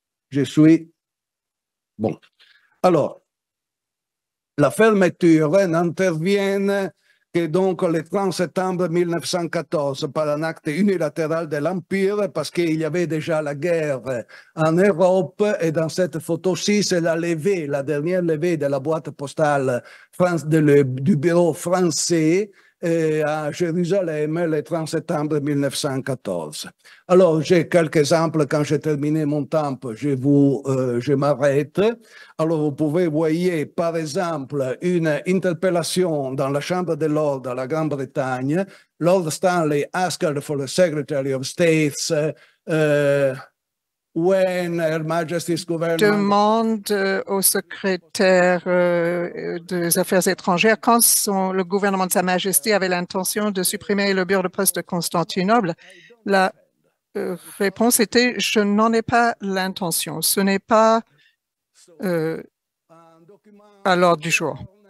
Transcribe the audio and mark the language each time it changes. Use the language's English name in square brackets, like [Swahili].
[French] Je suis bon. Alors, la fermeture n'intervient que donc le 30 septembre 1914 par un acte unilatéral de l'Empire parce qu'il y avait déjà la guerre en Europe et dans cette photo-ci, c'est la levée, la dernière levée de la boîte postale du bureau français à Jérusalem le 30 septembre 1914. Alors, j'ai quelques exemples, quand j'ai terminé mon temps, je m'arrête. Alors, vous pouvez voir, par exemple, une interpellation dans la Chambre des Lords à la Grande-Bretagne. [English] Lord Stanley asked for the Secretary of State when Her Majesty's government... [French] Demande au secrétaire des Affaires étrangères quand le gouvernement de Sa Majesté avait l'intention de supprimer le bureau de poste de Constantinople. La réponse était « Je n'en ai pas l'intention. Ce n'est pas à l'ordre du jour. »